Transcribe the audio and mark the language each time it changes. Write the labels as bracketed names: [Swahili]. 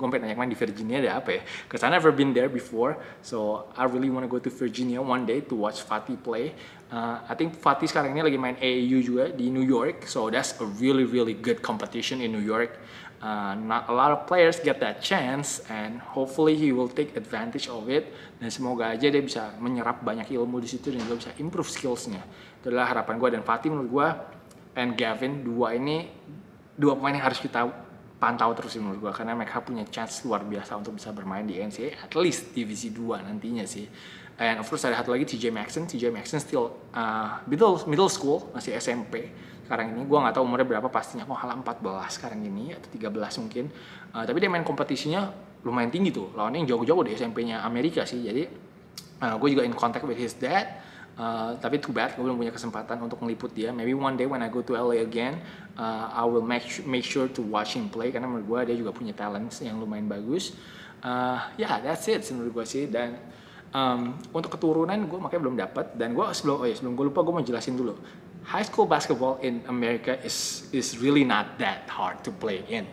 [Indonesian] Gue sampe nanya main di Virginia ada apa ya, [English] cause I never been there before, so I really wanna go to Virginia one day to watch Fatih play. I think Fatih [Indonesian] sekarang ini lagi main AAU juga [English] di New York, so that's a really really good competition in New York. Not a lot of players get that chance, and hopefully he will take advantage of it. [Indonesian] Dan semoga aja dia bisa menyerap banyak ilmu di situ dan juga bisa improve skillsnya. Itulah harapan gue dan Fatih menurut gue. And Gavin, dua pemain yang harus kita pantau terus menurut gue, karena mereka punya chance luar biasa untuk bisa bermain di NCAA, at least Divisi 2 nantinya sih. [English] And of course [Indonesian] ada satu lagi, TJ Maxson [English] still middle school, [Indonesian] masih SMP sekarang ini. Gue gak tahu umurnya berapa pastinya, kok halah 14 sekarang ini, atau 13 mungkin. Tapi dia main kompetisinya lumayan tinggi tuh, lawannya yang jauh-jauh di SMP-nya Amerika sih. Jadi gue juga [English] in contact with his dad, [Indonesian] tapi [English] too bad [Indonesian] gue belum punya kesempatan untuk ngeliput dia. [English] Maybe one day when I go to LA again, I will make sure to watch him play, [Indonesian] karena menurut gue dia juga punya talents yang lumayan bagus. [English] That's it [Indonesian] menurut gue sih. Dan untuk keturunan gue makanya belum dapat. Dan gue sebelum gue lupa, gue mau jelasin dulu. [English] High school basketball in America is really not that hard to play in.